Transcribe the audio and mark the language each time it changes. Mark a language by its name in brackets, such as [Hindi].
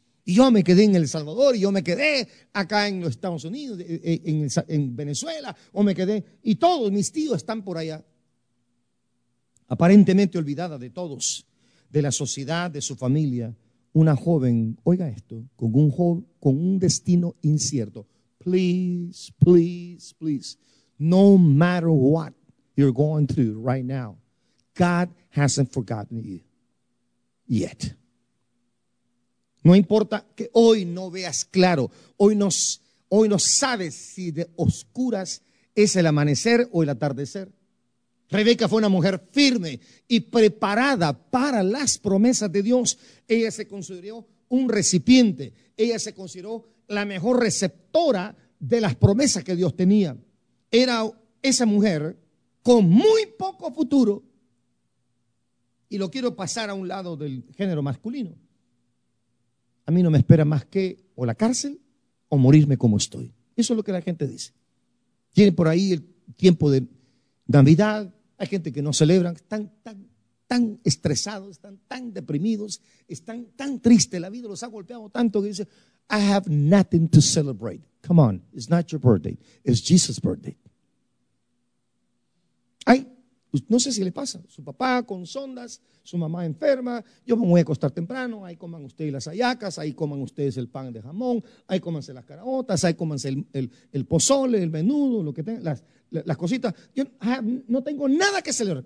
[Spanish] Y yo me quedé en El Salvador, y yo me quedé acá en los Estados Unidos, en Venezuela, o me quedé, y todos mis tíos están por allá. Aparentemente olvidada de todos, de la sociedad, de su familia, una joven, oiga esto, con un destino incierto. [English] Please, please, please, no matter what you're going through right now, God hasn't forgotten you yet. [Spanish] No importa que hoy no veas claro, hoy no sabes si de oscuras es el amanecer o el atardecer. Rebeca fue una mujer firme y preparada para las promesas de Dios. Ella se consideró un recipiente. Ella se consideró la mejor receptora de las promesas que Dios tenía. Era esa mujer con muy poco futuro. Y lo quiero pasar a un lado del género masculino. A mí no me espera más que o la cárcel o morirme como estoy. Eso es lo que la gente dice. Tiene por ahí el tiempo de Navidad. Hay gente que no celebra, están tan estresados, están tan deprimidos, están tan tristes. La vida los ha golpeado tanto que dice, [English] I have nothing to celebrate. Come on, it's not your birthday, it's Jesus' birthday. [Spanish] Ay, no sé si le pasa, su papá con sondas, su mamá enferma, yo me voy a acostar temprano, ahí coman ustedes las hallacas, ahí coman ustedes el pan de jamón, ahí cómanse las caraotas, ahí cómanse el pozole, el menudo, lo que tengan, las cositas, yo no tengo nada que celebrar.